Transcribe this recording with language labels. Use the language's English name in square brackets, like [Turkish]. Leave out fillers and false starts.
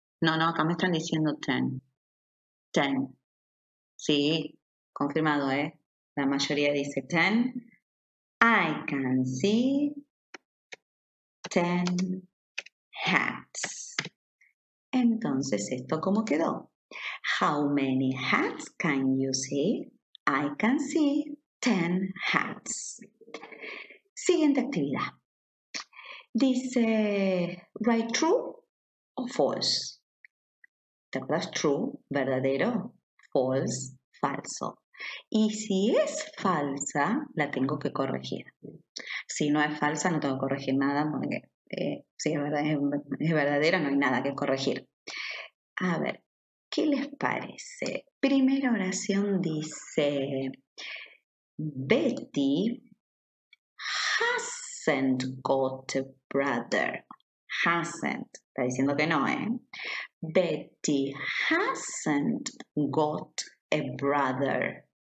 [Spanish] No, acá me están diciendo 10. 10. Sí, confirmado, ¿eh? La mayoría dice 10. [English] I can see 10 hats. [Spanish] Entonces, ¿esto cómo quedó? [English] How many hats can you see? I can see 10 hats. [Spanish] Siguiente actividad. Dice, [English] write true [Spanish] o [English] false. [Spanish] ¿Te acuerdas? [English] True, [Spanish] verdadero. [English] False, [Spanish] falso. Y si es falsa, la tengo que corregir. Si no es falsa, no tengo que corregir nada porque si es verdadera, no hay nada que corregir. A ver. ¿Qué les parece? Primera oración dice, [English] Betty hasn't got a brother. [Spanish] Hasn't, está diciendo que no, ¿eh? [English] Betty hasn't got a brother.